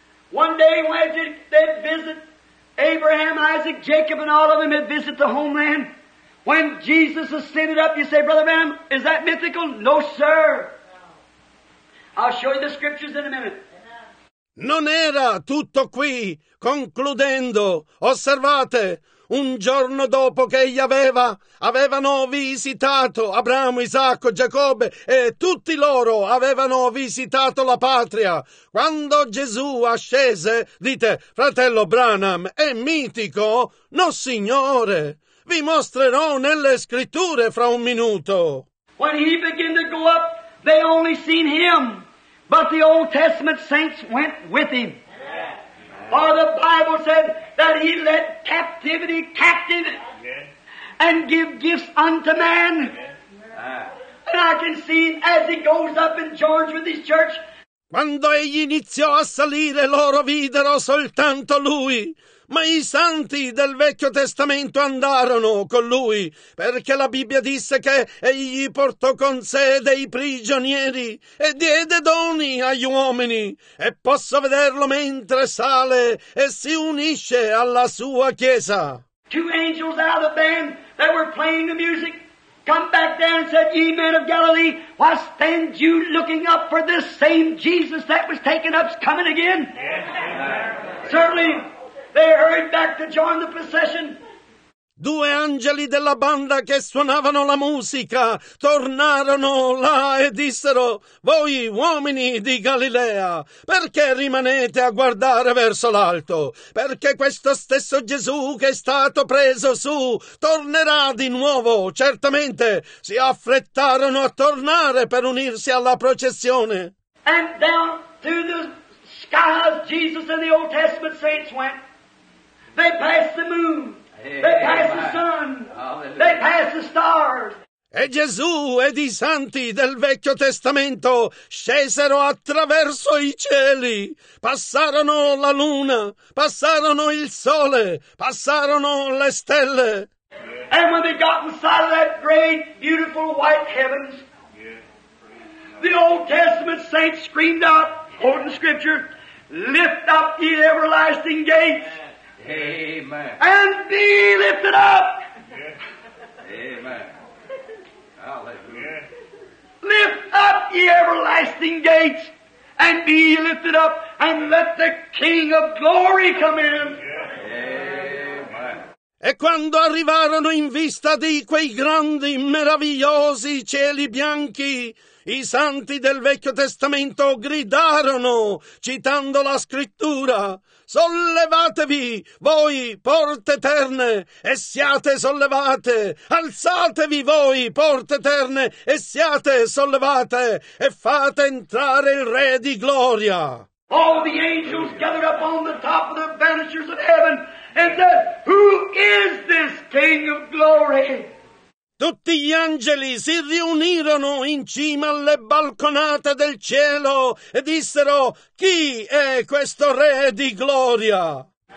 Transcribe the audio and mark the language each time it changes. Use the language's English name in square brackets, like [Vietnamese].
[English] One day when they visit Abraham, Isaac, Jacob, and all of them, they visit the homeland. When Jesus ascended up, you say, Brother Bam, is that mythical? No, sir. I'll show you the scriptures in a minute. [Italian] Non era tutto qui. Concludendo, osservate, un giorno dopo che egli avevano visitato Abramo, Isacco, Giacobbe e tutti loro avevano visitato la patria. Quando Gesù ascese, dite, fratello Branham, è mitico? No, signore. Vi mostrerò nelle scritture fra un minuto. [English] When he began to go up, they only seen him, but the Old Testament saints went with him. For the Bible said that he led captivity captive and give gifts unto man. And I can see as he goes up and joins with his church. [Italian] Quando egli iniziò a salire, loro videro soltanto lui. Ma i santi del Vecchio Testamento andarono con lui, perché la Bibbia disse che egli portò con sé dei prigionieri e diede doni agli uomini, e posso vederlo mentre sale e si unisce alla sua chiesa. [English] Two angels out of the band that were playing the music come back there and said, ye men of Galilee, why stand you looking up for this same Jesus that was taken up's coming again? Yes. Certainly. They hurried back to join the procession. [Italian] Due angeli della banda che suonavano la musica tornarono là e dissero, voi uomini di Galilea, perché rimanete a guardare verso l'alto? Perché questo stesso Gesù che è stato preso su tornerà di nuovo. Certamente si affrettarono a tornare per unirsi alla processione. [English] And down to the skies Jesus and the Old Testament saints went. They passed the moon, they passed the sun, they passed the stars. [Italian] E Gesù ed i santi del Vecchio Testamento scesero attraverso i cieli, passarono la luna, passarono il sole, passarono le stelle. [English] And when they got inside of that great, beautiful white heavens, the Old Testament saints screamed out, quoting scripture, lift up ye everlasting gates. Amen. And be lifted up. Yeah. Amen. Hallelujah. Yeah. Lift up, ye everlasting gates, and be lifted up, and let the King of Glory come in. [Italian] E quando arrivarono in vista di quei grandi, meravigliosi cieli bianchi, i santi del Vecchio Testamento gridarono, citando la Scrittura, sollevatevi, voi porte eterne, e siate sollevate, alzatevi voi porte eterne, e siate sollevate, e fate entrare il Re di Gloria. [English] All the angels gathered up on the top of the banisters of heaven and said, who is this King of Glory? [Italian] Tutti gli angeli si riunirono in cima alle balconate del cielo e dissero, chi è questo Re di Gloria?